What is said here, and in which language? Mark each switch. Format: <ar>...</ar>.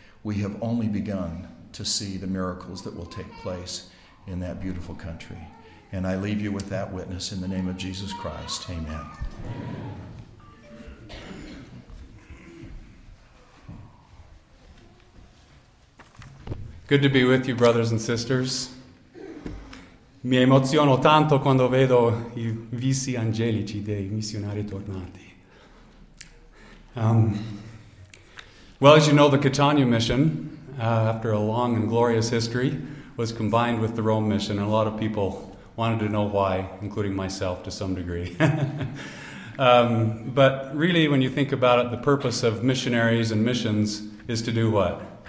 <en>We have only begun to see the miracles that will take place in that beautiful country. And I leave you with that witness in the name of Jesus Christ. Amen. Amen. Good to be with you, brothers and sisters.</en> <it>Mi emoziono tanto quando vedo I visi angelici dei missionari tornati.</it> <en>Well, as you know, the Catania mission, after a long and glorious history, was combined with the Rome mission, and a lot of people wanted to know why, including myself to some degree. but really, when you think about it, the purpose of missionaries and missions is to do what?</en>